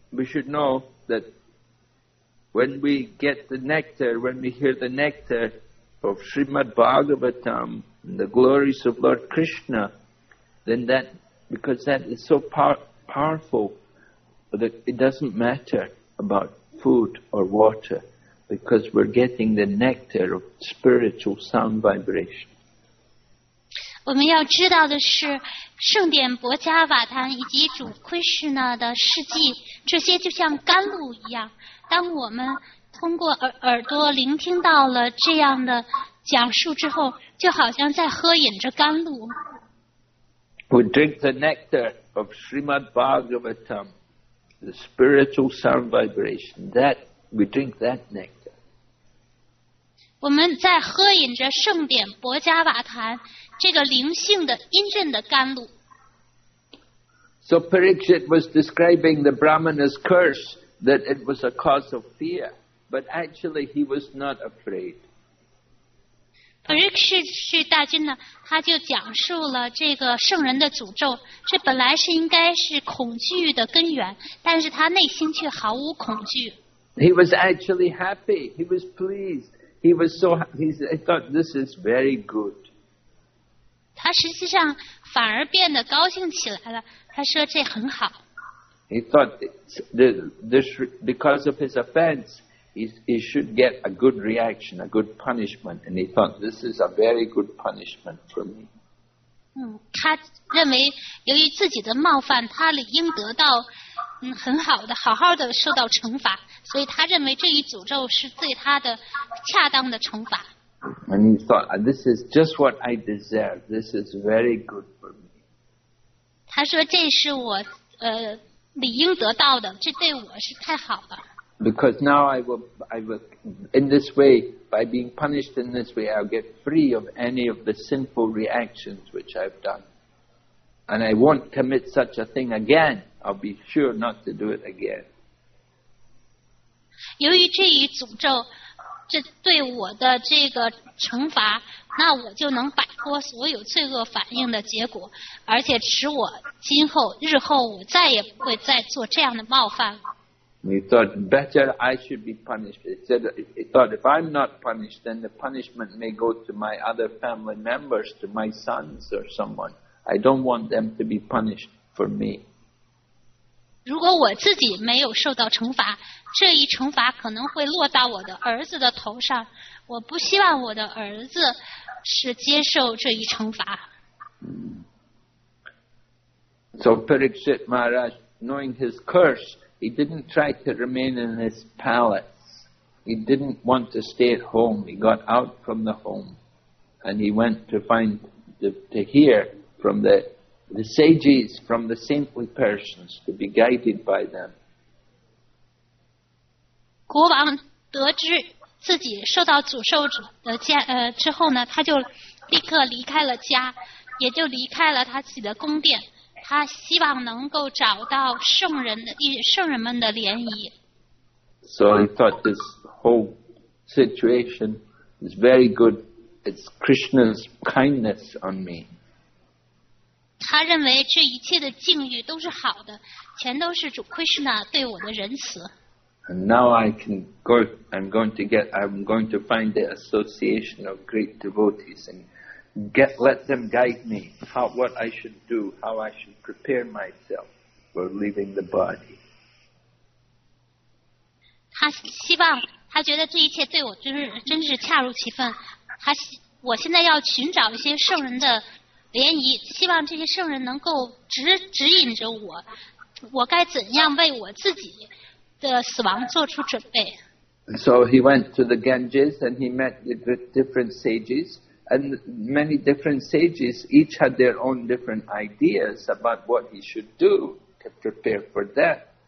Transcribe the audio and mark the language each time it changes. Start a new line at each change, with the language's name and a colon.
English: We should know that when we get the nectar, when we hear the nectar of Srimad Bhagavatam, and the glories of Lord Krishna, then that, because that is so powerful, that it doesn't matter about food or water, because we're getting the nectar of spiritual sound vibration.
Chinese: 我们要知道的是圣典博迦瓦坛以及主昆士纳的事迹，这些就像甘露一样，当我们通过 耳朵聆听到了这样的讲述之后，就好像在喝饮着甘露。
English: We drink the nectar of Srimad Bhagavatam, the spiritual sound vibration, that we drink that nectar.
Chinese: 我们在喝饮着圣典博迦瓦坛这个灵性的阴阵的甘露。
English: So Parikshit was describing the Brahmana's curse that it was a cause of fear, but actually he was not afraid.
Chinese: Parikshit 大君呢，他就讲述了这个圣人的诅咒，这本来是应该是恐惧的根源，但是他内心却毫无恐惧。
English: He was actually happy, he was pleased, he was so happy, he thought this is very good.
Chinese: 他实际上反而变得高兴起来了，他说这很好。
English: He thought this because of his offense, he should get a good reaction, a good punishment, and he thought this is a very good punishment for me.
Chinese: 他认为由于自己的冒犯，他理应得到很好的、好好的受到惩罚，所以他认为这一诅咒是对他的恰当的惩罚。
English: And he thought, this is just what I deserve. This is very good for me.
Chinese: 他说这是我理应得到的，这对我是太好了。
English: Because now I will, in this way, by being punished in this way, I'll get free of any of the sinful reactions which I've done. And I won't commit such a thing again. I'll be sure not to do it again.
Chinese: 由于这一诅咒这对我的这个惩罚，那我就能摆脱所有罪恶反应的结果，而且使我今后日后我再也不会再做这样的冒犯了。
English: He thought better I should be punished. He thought if I'm not punished, then the punishment may go to my other family members, to my sons or someone. I don't want them to be punished for me.
Chinese: 如果我自己没有受到惩罚，这一惩罚可能会落到我的儿子的头上。我不希望我的儿子是接受这一惩罚。
English: So Parikshit Maharaj, knowing his curse, he didn't try to remain in his palace. He didn't want to stay at home. He got out from the home, and he went to find to hear from the sages, from the saintly persons, to be guided by them.
Chinese: 国王得知自己受到诅咒的家之后呢，他就立刻离开了家，也就离开了他自己的宫殿。他希望能够找到圣人们的联谊。
English: So he thought this whole situation is very good. It's Krishna's kindness on me.
Chinese: 他认为这一切的境遇都是好的，全都是主 Krishna 对我的仁慈。
English: And now I can go. I'm going to find the association of great devotees and let them guide me how what I should do, how I should prepare myself for leaving the body.
Chinese: 他希望，他觉得这一切对我真是恰如其分。我现在要寻找一些圣人的联谊，希望这些圣人能够指引着我，我该怎样为我自己的死亡做出准备。
English: So he went to the Ganges and he met the different sages, and many different sages each had their own different ideas about what he should do to prepare for death.